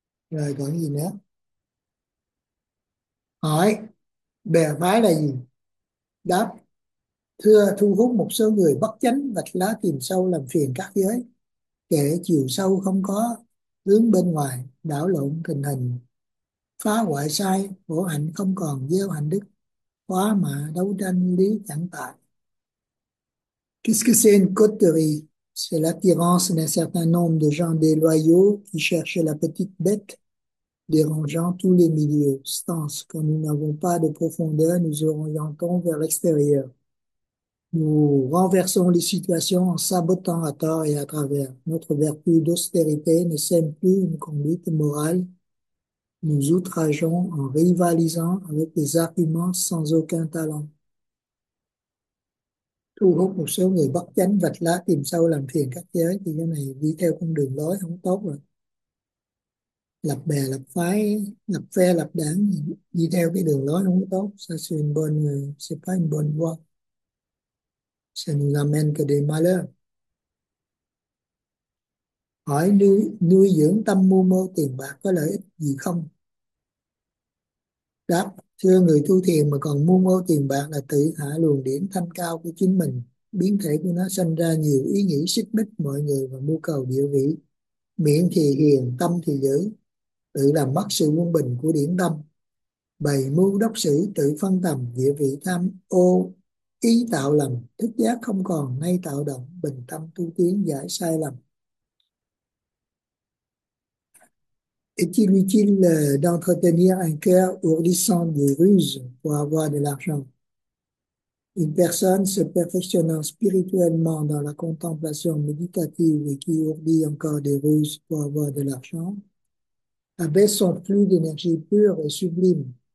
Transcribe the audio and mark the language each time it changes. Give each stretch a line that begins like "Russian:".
Vietnamese: Rồi còn gì nữa, hỏi bè phái là gì, đáp: thưa, thu hút một số người bất chánh vạch lá tìm sâu làm phiền các giới, kẻ chiều sâu không có hướng bên ngoài, đảo lộn tình hình, phá hoại sai bổ hạnh, không còn gieo hạnh đức, hóa mà đấu tranh lý chẳng tại.
French: Qu'est-ce que c'est une coterie? C'est l'attirance d'un certain nombre de gens déloyaux qui cherchent la petite bête, dérangeant tous les milieux. Stance, quand nous n'avons pas de profondeur, nous orientons vers l'extérieur. Nous renversons les situations en sabotant à tort et à travers. Notre vertu d'austérité ne sème plus une conduite morale. Nous outrageons en rivalisant avec des arguments sans aucun talent.
Vietnamese: Thu hút một số người bất chánh vạch lá tìm sâu làm phiền các giới, thì cái này đi theo con đường lối không tốt rồi. Lập bè lập phái, lập phe lập đảng, đi theo cái đường lối không tốt.
French: Ça c'est une bonne, c'est pas une bonne voie. Ça nous amène que des malheurs.
Vietnamese: Hỏi: nuôi dưỡng tâm mưu mô tiền bạc có lợi ích gì không? Đáp: thưa, người tu thiền mà còn mưu mô tiền bạc là tự hạ luồng điển thanh cao của chính mình. Biến thể của nó sanh ra nhiều ý nghĩ xích mích mọi người và mưu cầu địa vị. Miệng thì hiền, tâm thì dữ, tự làm mất sự quân bình của điển tâm. Bày mưu đốc sử, tự phân tầm, địa vị tham ô, ý tạo lầm, thức giác không còn, nay tạo động, bình tâm tu tiến giải sai lầm.
French: Est-il utile d'entretenir un cœur ourdissant de ruses pour avoir de l'argent? Une personne se perfectionnant spirituellement dans la contemplation méditative et qui ourdit encore des ruses pour avoir de l'argent abaisse son flux d'énergie pure et sublime.